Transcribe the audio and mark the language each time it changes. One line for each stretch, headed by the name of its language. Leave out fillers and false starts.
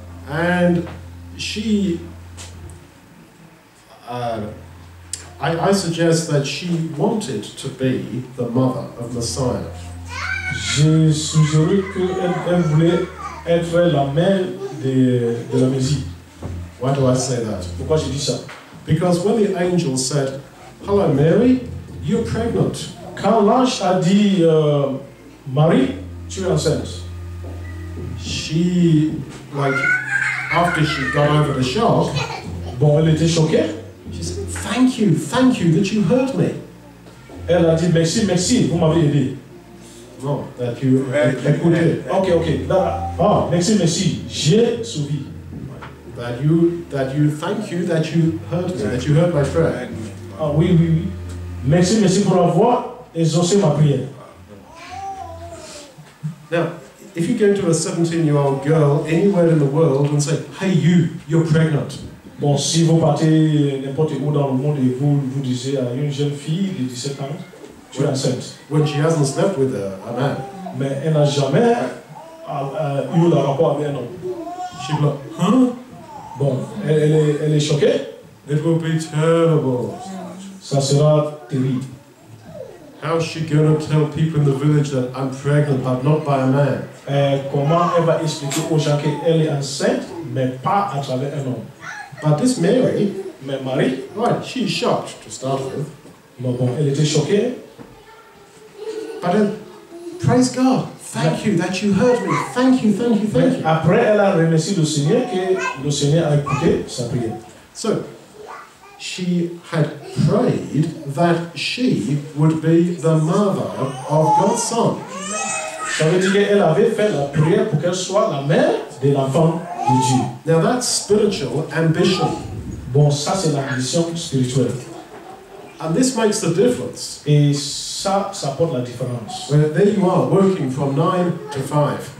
English: And she, I suggest that she wanted to be the mother of Messiah.
French: Je suggère qu'elle voulait être la mère de la Messie.
English: Why do I say that?
French: Pourquoi je dis ça?
English: Because when the angel said, "Hello, Mary, you're pregnant."
French: Quand l'ange a dit, Marie, tu es enceinte.
English: She, like, after she got over the shock,
French: bon, elle était choquée.
English: She said, thank you that you heard me.
French: Elle a dit, merci, vous m'avez aidé.
English: Non, that you écouté.
French: Ok. Merci, j'ai suivi.
English: That you heard my prayer.
French: Ah, oui. Merci pour avoir exaucé ma prière.
English: Now, if you go to a 17-year-old girl anywhere in the world and say, "Hey, you're pregnant."
French: Bon, si vous partez n'importe où dans le monde et vous disiez à une jeune fille de 17 ans, tu es enceinte.
English: When she hasn't slept with a man.
French: Mais elle n'a jamais eu le rapport avec un homme.
English: She'd be like, huh?
French: Bon, elle est choquée.
English: It will be terrible.
French: Ça sera terrible.
English: How is she going to tell people in the village that I'm pregnant, but not by a man?
French: Comment elle va expliquer aux gens qu'elle est enceinte, mais pas à travers un homme?
English: But this Mary,
French: mais Marie,
English: right, she's shocked to start with.
French: Bon, elle était choquée.
English: But Praise God. Thank you that you heard me. Thank you, thank you, thank you.
French: Après, elle a remercié le Seigneur que le Seigneur a écouté sa prière.
English: So, she had prayed that she would be the mother of God's son.
French: Ça veut dire qu'elle avait fait la prière pour qu'elle soit la mère de l'enfant de Dieu.
English: Now that's spiritual ambition.
French: Bon, ça c'est l'ambition spirituelle.
English: And this makes the difference.
French: Et ça, ça porte la différence.
English: Where there you are working from 9 to 5